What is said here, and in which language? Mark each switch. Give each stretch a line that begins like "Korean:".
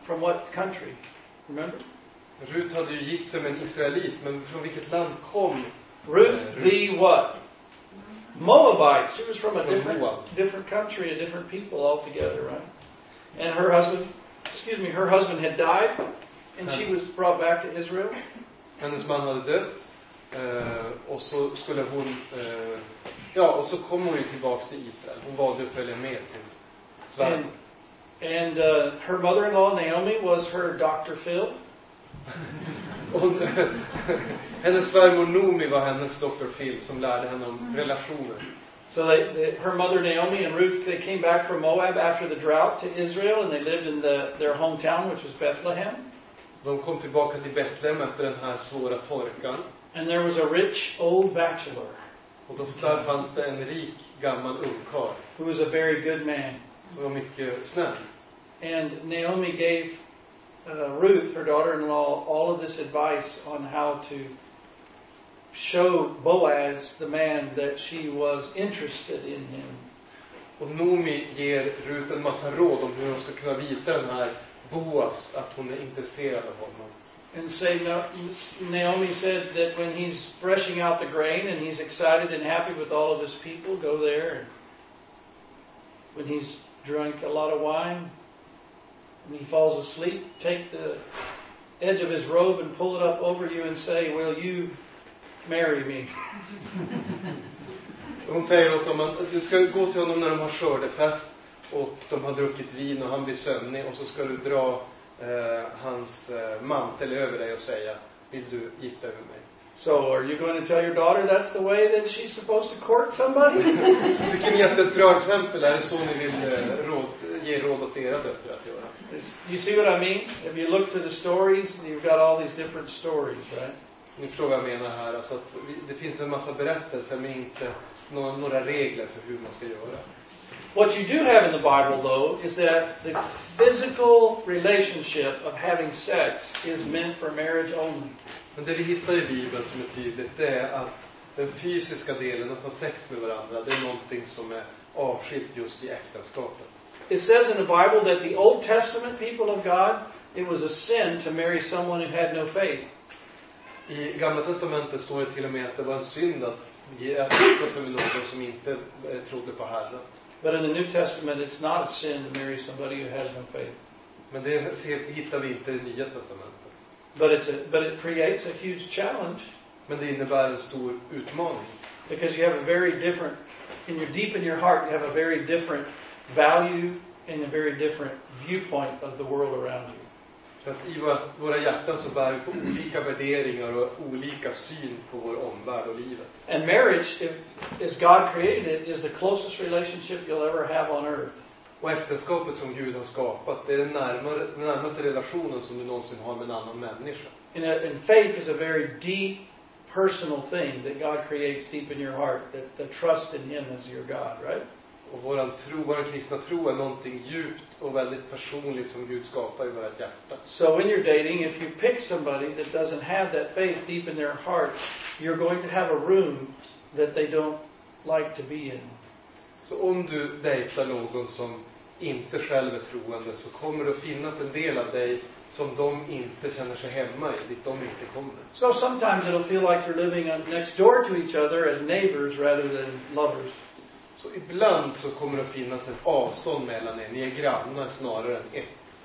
English: From what country? Remember?
Swedish: Ruth hade ju gift sig med en israelit, men från vilket land kom
English: Ruth? The what? Moabites. She was from a different country, a different people altogether, right? And her husband had died, and she was brought back to Israel.
Swedish: Hennes man hade dött, och så skulle hon, och så kom hon ju tillbaka till Israel. Hon valde att följa med sin svärd.
English: And her mother-in-law Naomi was her Dr. Phil.
Swedish: Hennes svärmor Naomi var hennes Dr. Phil som lärde henne om relationer.
English: So her mother Naomi and Ruth, they came back from Moab after the drought to Israel and they lived in their hometown, which was Bethlehem.
Swedish: De kom tillbaka till Betlehem efter den här svåra torkan.
English: And there was a rich old bachelor.
Swedish: Och där fanns det en rik gammal ungkarl.
English: Who was a very good man.
Swedish: Som var mycket snäll.
English: And Naomi gave Ruth, her daughter-in-law, all of this advice on how to show Boaz, the man, that she was interested in him.
Swedish: Och Naomi ger Ruth en massa råd om hur hon ska kunna visa den här Boaz att hon är intresserad av honom.
English: And say, Naomi said that when he's threshing out the grain and he's excited and happy with all of his people, go there. When he's drunk a lot of wine, when he falls asleep, take the edge of his robe and pull it up over you and say, will you marry me?
Swedish: Hon säger åt honom att du ska gå till honom när de har skördefest. och de har druckit vin och han blir sömnig och så ska du dra hans mantel över dig och säga, vill du gifta med mig?
English: So are you going to tell your daughter that's the way that she's supposed to court somebody?
Swedish: Det är ett jättebra exempel, är det så ni vill ge råd åt era döttrar att göra?
English: You see what I mean? If you look to the stories, you've got all these different stories, right?
Swedish: Ni förstår vad jag menar här, alltså att det finns en massa berättelser men inte några regler för hur man ska göra.
English: What you do have in the Bible though is that the physical relationship of having sex is meant for marriage only.
Swedish: Men det vi hittar i Bibeln som är tydligt, det är att den fysiska delen, att ha sex med varandra, det är någonting som är avskilt just i äktenskapet.
English: It says in the Bible that the Old Testament people of God, it was a sin to marry someone who had no faith.
Swedish: I Gamla Testamentet står det till och med att det var en synd att gifta sig med någon som inte trodde på Herren.
English: But in the New Testament it's not a sin to marry somebody who has no faith.
Swedish: Men det hittar vi inte i Nya Testamentet.
English: But it creates a huge challenge.
Swedish: Men det innebär en stor utmaning.
English: Because you have a very different, and you're deep in your heart, you have a very different value and a very different viewpoint of the world around you.
Swedish: För att i våra hjärtan så bär vi på olika värderingar och olika syn på vår omvärld och livet.
English: And marriage, as God created it, is the closest relationship you'll ever have on earth.
Swedish: Och äktenskapet som Gud har skapat, det är den närmaste relationen som du någonsin har med en annan människa.
English: And faith is a very deep, personal thing that God creates deep in your heart, that the trust in Him as your God, right?
Swedish: Och våran tro, våran kristna tro är någonting djupt och väldigt personligt som Gud skapar i vårt hjärta.
English: So when you're dating, if you pick somebody that doesn't have that faith deep in their heart, you're going to have a room that they don't like to be in.
Swedish: Så om du dejtar någon som inte själv är troende så kommer det att finnas en del av dig som de inte känner sig hemma i, dit de inte kommer.
English: So sometimes it'll feel like you're living next door to each other as neighbors rather than lovers.
Swedish: Så ibland så kommer det att finnas ett avstånd mellan er, ni är grannar snarare än ett.